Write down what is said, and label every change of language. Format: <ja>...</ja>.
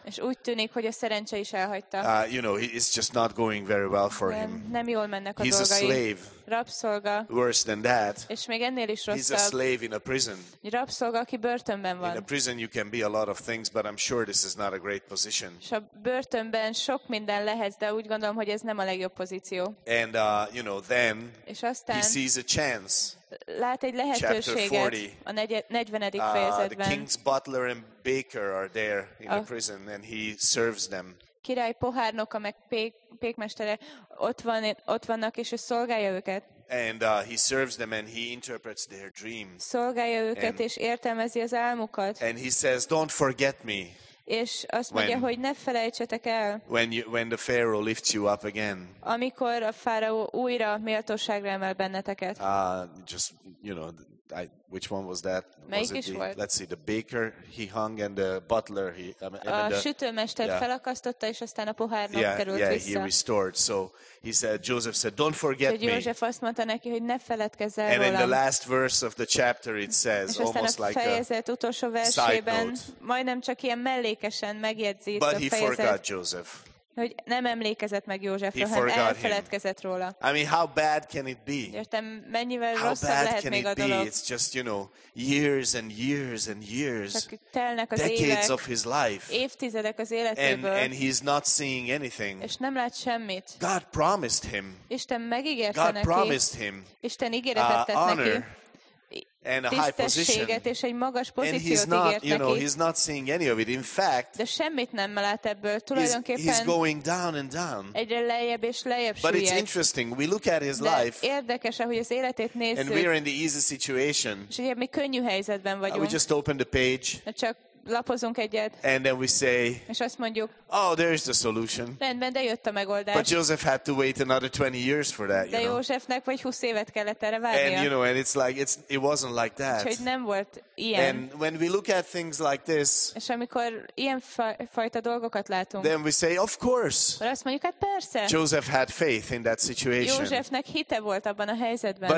<hu>És úgy tűnik, hogy a szerencse is elhagyta.</hu> <en>You know, it's just not going very well for him.</en> <hu>Nem jól mennek a dolgai.</hu> <en>He's a slave.</en> <hu>Rabszolga.</hu> <en>Worse than that.</en> <hu>És még ennél is rosszabb.</hu> <en>He's a slave in a prison.</en> <hu>Rabszolga, aki börtönben van.</hu> <en>In a prison you can be a lot of things, but I'm sure this is not a great position.</en> <hu>És a börtönben sok minden lehet, de úgy gondolom, hogy ez nem a legjobb pozíció.</hu> <en>And you know, then</en> <hu>és aztán</hu> <en>he sees a chance.</en> <hu>Lát egy lehetőséget. 40. A 40. Fejezetben.</hu> <en>The king's butler and baker are there in the prison, and he serves them.</en> <hu>Király pohárnoka meg pékmestere ott vannak és ő szolgálja őket.</hu> <en>And he serves them and he interprets their dream.</en> <hu>Szolgálja őket és értelmezi az álmukat.</hu> <en>And he says, "Don't forget me."</en> <hu>És azt mondja, hogy ne felejtsetek el.</hu> <en>When the Pharaoh lifts you up again.</en> <hu>Amikor a fáraó újra méltóságra emel benneteket.</hu> <en>Just, you know, which one was that?</en> <hu>Melyik</hu> <en>was</en> <hu>is volt?</hu> <en>Let's see, the baker he hung and the butler he.</en> <hu>Sütőmester felakasztotta és aztán a pohárnak került</hu> <en>yeah,</en> <hu>vissza.</hu> <en>Yeah, he restored. So he said, Joseph said, "Don't forget me."</en> <hu>József azt mondta neki, hogy ne feledkezz el rólam.</hu> <en>And in the last verse of the chapter it says almost like a</en> <hu>fejezet utolsó versében, majdnem csak ilyen mellékesen megjegyzi a fejezet. Hogy nem emlékezett meg Józsefről, hanem elfeledkezett róla.</hu> <en>I mean, how bad can it be?</en> <hu>Értem, mennyivel rosszabb lehet még a dolog?</hu> <en>It's just, you know, years and years and years.</en> <hu>Csak telnek az</hu> <en>decades of his life.</en> <hu>Évtizedek az életéből.</hu> <en>And he's not seeing anything.</en> <hu>És nem lát semmit.</hu> <en>God promised him.</en> <hu>Isten megígérte</hu> <en>God</en> <hu>neki.</hu> <en>Promised him.</en> <hu>Isten ígéretet tett</hu> <en>honor.</en> <hu>Neki.</hu> <en>and a high position.</en> <hu>És egy magas pozíciót ígért neki.</hu> <en>And he's not, you know, he's not seeing any of it. In fact,</en> <hu>de semmit nem lát ebből. Tulajdonképpen</hu> <en>he's going down and down.</en> <hu>Egyre lejjebb és lejjebb süllyed.</hu> <en>But it's interesting. We look at his</en> <hu>de</hu> <en>life.</en> <hu>Érdekes, ahogy az életét nézzük.</hu> <en>And we're in the easy situation.</en> <hu>És ugye mi könnyű helyzetben vagyunk.</hu> <en>We just open the page.</en> <hu>Csak lapozunk egyet.</hu> <en>And then we say,</en> <hu>és azt mondjuk,</hu> <en>oh, there's the solution.</en> <hu>Rendben, de jött a megoldás.</hu> <en>But Joseph had to wait another 20 years for that.</en> <hu>De Józsefnek vagy 20 évet kellett erre várnia.</hu> <en>And you know, and it's like it wasn't like that.</en> <hu>Úgyhogy nem volt ilyen.</hu> <en>And when we look at things like this,</en> <hu>és amikor ilyen fajta dolgokat látunk,</hu> <en>then we say, of course.</en> <hu>Azt mondjuk, hát persze.</hu> <en>Joseph had faith in that situation.</en> <hu>Józsefnek hite volt abban a helyzetben.</hu>